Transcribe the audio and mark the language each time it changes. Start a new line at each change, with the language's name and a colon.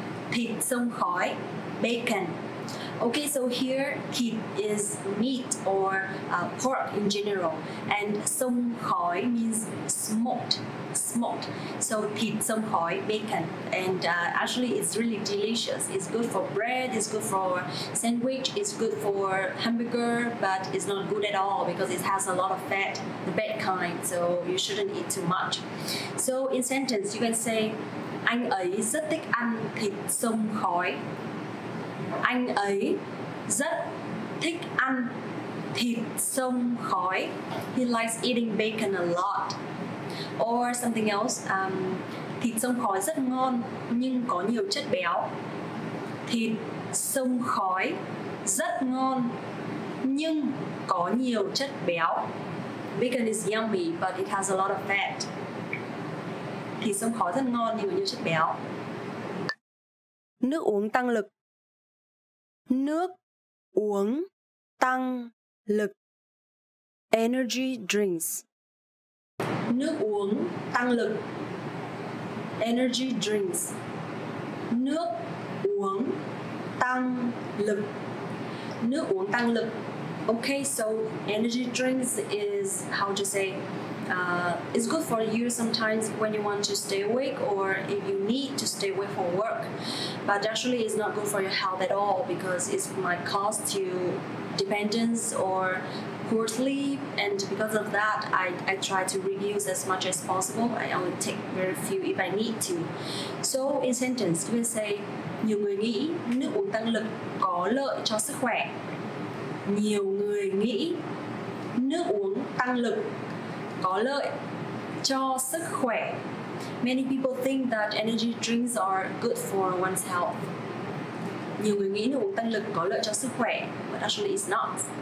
Vietnamese: Thịt xông khói.
English: Bacon. Okay, so here thịt is meat or pork in general, and xông khói means smoked. Smoked. So thịt xông khói, bacon, and actually it's really delicious. It's good for bread, it's good for sandwich, it's good for hamburger, but it's not good at all because it has a lot of fat, the bad kind, so you shouldn't eat too much. So in sentence you can say
Vietnamese: anh ấy rất thích ăn thịt xông khói. Anh ấy rất thích ăn thịt xông khói.
English: He likes eating bacon a lot. Or something else,
Vietnamese: thịt xông khói rất ngon nhưng có nhiều chất béo. Thịt xông khói rất ngon nhưng có nhiều chất béo.
English: Bacon is yummy but it has a lot of fat.
Vietnamese: Thịt xông khói rất ngon nhưng có nhiều chất béo. Nước uống tăng lực. Nước uống tăng lực.
English: Energy drinks.
Vietnamese: Nước uống tăng lực.
English: Energy drinks.
Vietnamese: Nước uống tăng lực. Nước uống tăng lực.
English: Okay, so energy drinks is how to say it's good for you sometimes when you want to stay awake or if you need to stay awake for work. But actually it's not good for your health at all because it might cause you dependence or poor sleep, and because of that I try to reduce as much as possible. I only take very few if I need to. So in sentence you can say
Vietnamese: nhiều người nghĩ nước uống tăng lực có lợi cho sức khỏe. Nhiều người nghĩ nước uống tăng lực có lợi cho sức khỏe.
English: Many people think that energy drinks are good for one's health.
Vietnamese: Nhiều người nghĩ nước uống tăng lực có lợi cho sức khỏe,
English: but actually it's not.